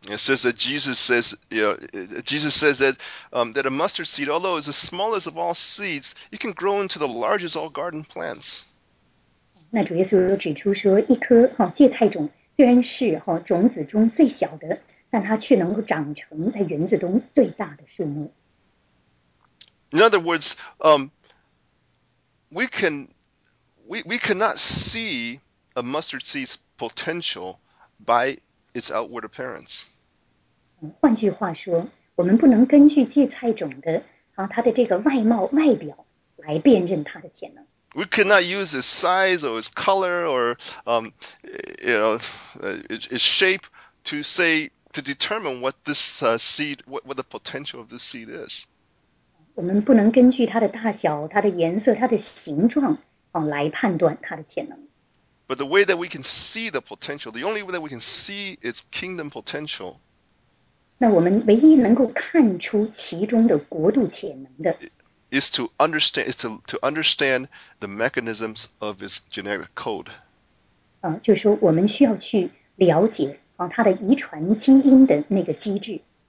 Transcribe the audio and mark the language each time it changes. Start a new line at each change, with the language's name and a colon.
English: It says that Jesus says that a mustard seed, although it's the smallest of all seeds, it can grow into the largest all garden plants.
Chinese: 那主耶稣又指出说，一颗芥菜种虽然是种子中最小的。但它却能够长成在园子中最大的树木。
English: In other words, we cannot see a mustard seed's potential by its outward appearance.
Chinese: 换句话说，我们不能根据芥菜种的它的这个外貌外表来辨认它的潜能。
English: We cannot use its size or its color or its shape to say. To determine what this seed, what the potential of this seed is.
Chinese: 我们不能根据它的大小、它的颜色、它的形状来判断它的潜能。
English: But the way that we can see the potential, the only way that we can see its kingdom potential.
Chinese: 那我们唯一能够看出其中的国度潜能的
English: is to understand the mechanisms of its genetic code.
Chinese: 就是说我们需要去了解。它的遗传基因的那个机制